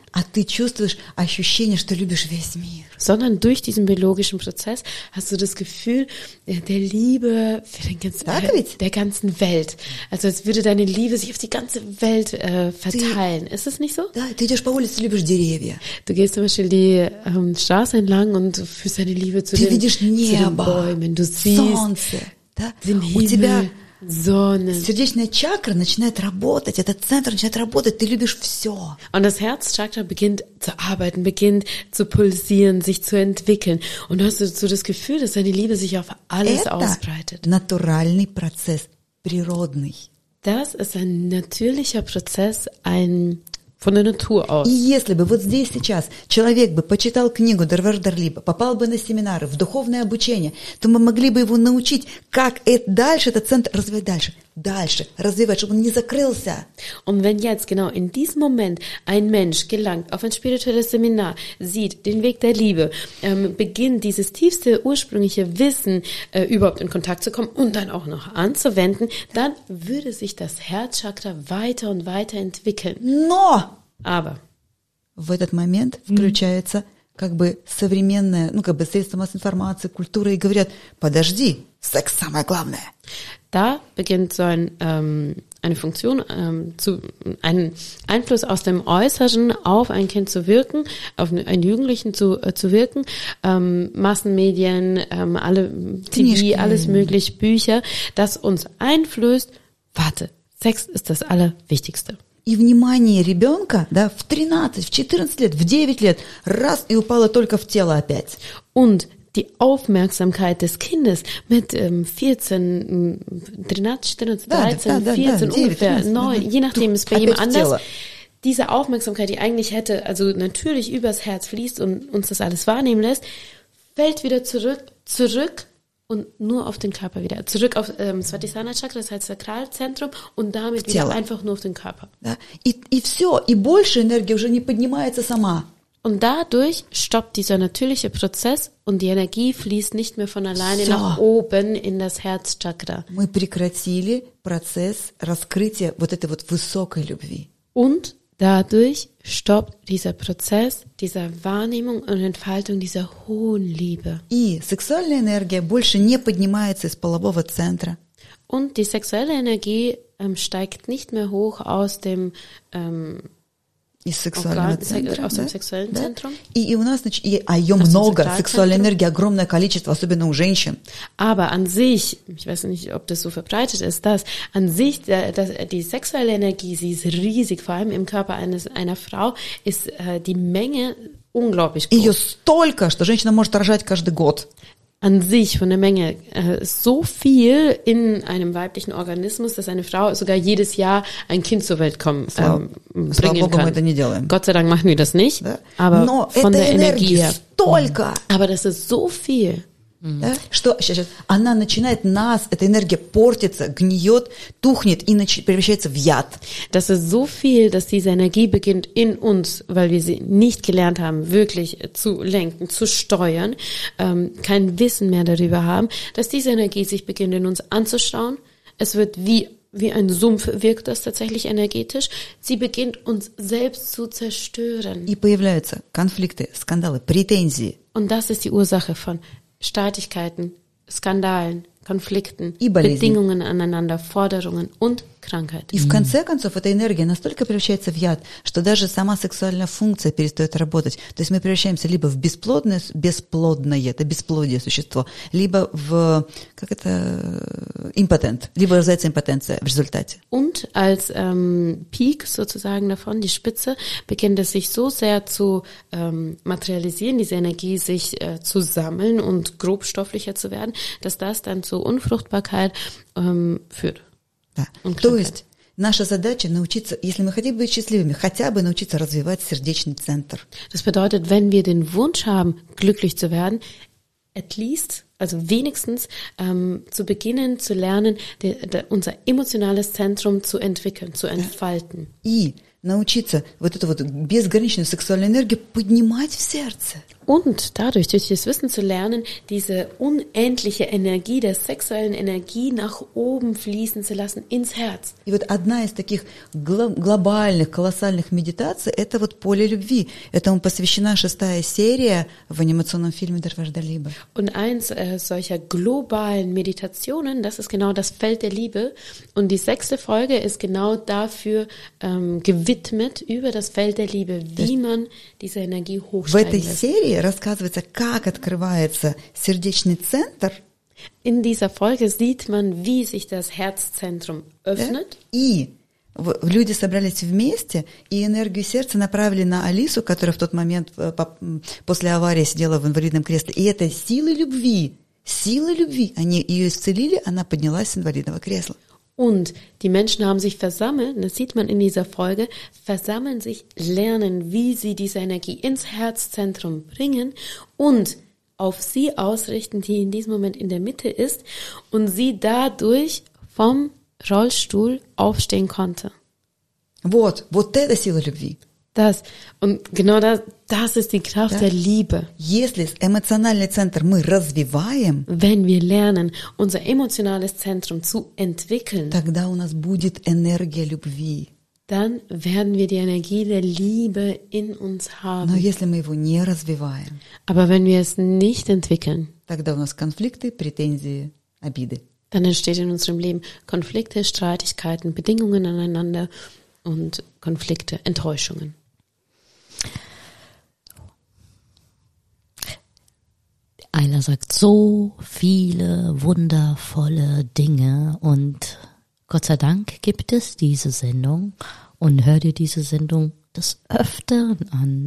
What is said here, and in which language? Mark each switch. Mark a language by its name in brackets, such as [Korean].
[Russian] А ты чувствуешь ощущение, что любишь весь мир. [German] Sondern durch diesen biologischen Prozess hast du das Gefühl der Liebe für den ganzen, der ganzen Welt. Also als würde deine Liebe sich auf die ganze Welt verteilen. Ist das nicht so? [Russian] Да, ты идешь по улице, любишь деревья. [German] Du gehst zum Beispiel die Straße entlang und fühlst deine Liebe zu, den, [Russian] видишь небо, [German] zu den Bäumen. Du siehst [Russian] Солнце, да? [German] Den Himmel. Sonne. [Russian] Сердечная чакра начинает работать, этот центр начинает работать, ты любишь все. [German] Und das Herzchakra beginnt zu arbeiten, beginnt zu pulsieren, sich zu entwickeln. Und hast du so das Gefühl, dass deine Liebe sich auf alles [Russian] Это [German] ausbreitet. [Russian] Натуральный процесс, природный. [German] Das ist ein natürlicher Prozess, ein von der Natur aus. [Russian] И если бы вот здесь сейчас человек бы почитал книгу Дарвар Дарлиба, попал бы на семинары, в духовное обучение, то мы могли бы его научить, как это дальше, этот центр развивать дальше. дальше развивать, чтобы он не закрылся. [German] Und wenn jetzt genau in diesem Moment ein Mensch gelangt auf ein spirituelles Seminar, sieht den Weg der Liebe, beginnt dieses tiefste ursprüngliche Wissen überhaupt in Kontakt zu kommen und dann auch noch anzuwenden, dann würde sich das Herzchakra weiter und weiter entwickeln. [Russian] Но! [German] Aber [Russian] в этот момент включается как бы современное, ну как бы средства массовой информации, культура и говорят: подожди, секс самое главное. [German] Da beginnt so ein, eine Funktion, zu, ein Einfluss aus dem Äußeren auf ein Kind zu wirken, auf einen Jugendlichen zu wirken, Massenmedien, alle TV, alles mögliche, Bücher, das uns einflößt. Warte, Sex ist das Allerwichtigste. [Russian] И внимание ребенка, да, в 13, в 14 лет, в 9 лет, раз и упало только в тело опять. [German] Und die Aufmerksamkeit des Kindes mit 14, 13, 14, 13, 14, 14 9, ungefähr, 9, 9, je nachdem, ist bei jedem anders. Diese Aufmerksamkeit, die eigentlich hätte, also natürlich übers Herz fließt und uns das alles wahrnehmen lässt, fällt wieder zurück und nur auf den Körper wieder. Zurück auf Svatisana Chakra, das heißt Sakralzentrum, und damit wieder einfach nur auf den Körper. [Russian] И все, и больше энергии уже не поднимается сама. [German] Und dadurch stoppt dieser natürliche Prozess und die Energie fließt nicht mehr von alleine nach oben in das Herzchakra. [Russian] Мы прекратили процесс раскрытия вот этой вот высокой любви. [German] Und dadurch stoppt dieser Prozess dieser Wahrnehmung und Entfaltung dieser hohen Liebe. [Russian] И сексуальная энергия больше не поднимается из полового центра. [German] Und die sexuelle Energie steigt nicht mehr hoch aus dem [Russian] из сексуального центра, да? Сексуальным, да? Центром. И у нас, значит, а ее а много, сексуальной энергии огромное количество, особенно у женщин. [German] Aber an sich, ich weiß nicht, ob das so verbreitet ist, dass an sich dass die sexuelle Energie, sie ist riesig, vor allem im Körper einer Frau, ist die Menge unglaublich groß. [Russian] Ее столько, что женщина может рожать каждый год. [German] An sich von der Menge so viel in einem weiblichen Organismus, dass eine Frau sogar jedes Jahr ein Kind zur Welt kommen bringen kann. Gott sei Dank machen wir das nicht, [Russian] да? [German] Aber [Russian] Но [German] von der Energie her. [Russian] Столько, [German] aber das ist so viel. [Russian] Да? Что, сейчас, она начинает нас, эта энергия портится, гниет, тухнет и превращается в яд. [German] Das ist so viel, dass diese Energie beginnt in uns, weil wir sie nicht gelernt haben, wirklich zu lenken, zu steuern, kein Wissen mehr darüber haben, dass diese Energie sich beginnt in uns anzustauen. Es wird wie ein Sumpf wirkt das tatsächlich energetisch. Sie beginnt uns selbst zu zerstören. [Russian] И появляются конфликты, скандалы, претензии. [German] Und das ist die Ursache von Streitigkeiten, Skandalen, Konflikten, Bedingungen aneinander, Forderungen und Krankheit. [Russian] И в конце концов эта энергия настолько превращается в яд, что даже сама сексуальная функция перестает работать. То есть мы превращаемся либо в бесплодное, бесплодное, это бесплодие существо, либо в как это импотент, либо рождается импотенция в результате. [German] Und als Peak sozusagen davon, die Spitze, beginnt es sich so sehr zu materialisieren, diese Energie sich zu sammeln und grobstofflicher zu werden, dass das dann zu Unfruchtbarkeit führt. [Russian] Да. То есть наша задача научиться, если мы хотим быть счастливыми, хотя бы научиться развивать сердечный центр. [German] Das bedeutet, wenn wir den Wunsch haben, glücklich zu werden, [English] at least, [German] also wenigstens, zu beginnen, zu lernen, unser emotionales Zentrum zu entwickeln, zu entfalten. [Russian] Да. И научиться вот эту вот безграничную сексуальную энергию поднимать в сердце. [German] Und dadurch, durch das Wissen zu lernen, diese unendliche Energie der sexuellen Energie nach oben fließen zu lassen, ins Herz. [Russian] И вот одна из таких глобальных, колоссальных медитаций – это вот поле любви. Этому посвящена шестая серия в анимационном фильме «Дарвашда Либе». [German] Und eins solcher globalen Meditationen, das ist genau das Feld der Liebe. Und die sechste Folge ist genau dafür gewidmet, über das Feld der Liebe, wie man diese Energie hochsteigen lässt. [Russian] Рассказывается, как открывается сердечный центр. [German] In dieser Folge sieht man, wie sich das Herzzentrum öffnet. [Russian] Да? И люди собрались вместе и энергию сердца направили на Алису, которая в тот момент после аварии сидела в инвалидном кресле. И это силы любви, они ее исцелили, она поднялась с инвалидного кресла. [German] Und die Menschen haben sich versammelt, das sieht man in dieser Folge, versammeln sich, lernen, wie sie diese Energie ins Herzzentrum bringen und auf sie ausrichten, die in diesem Moment in der Mitte ist, und sie dadurch vom Rollstuhl aufstehen konnte. [Russian] Вот, вот это сила любви. [German] Das, und genau das, das ist die Kraft der Liebe. [Russian] Если эмоциональный центр мы развиваем, [German] wenn wir lernen, unser emotionales Zentrum zu entwickeln, [Russian] тогда у нас будет энергия любви. [German] Dann werden wir die Energie der Liebe in uns haben. [Russian] Но если мы его не развиваем, [German] aber wenn wir es nicht entwickeln, [Russian] тогда у нас конфликты, претензии, обиды. [German] Dann entsteht in unserem Leben Konflikte, Streitigkeiten, Bedingungen aneinander und Konflikte, Enttäuschungen. Einer sagt so viele wundervolle Dinge und Gott sei Dank gibt es diese Sendung und hör dir diese Sendung des Öfteren an.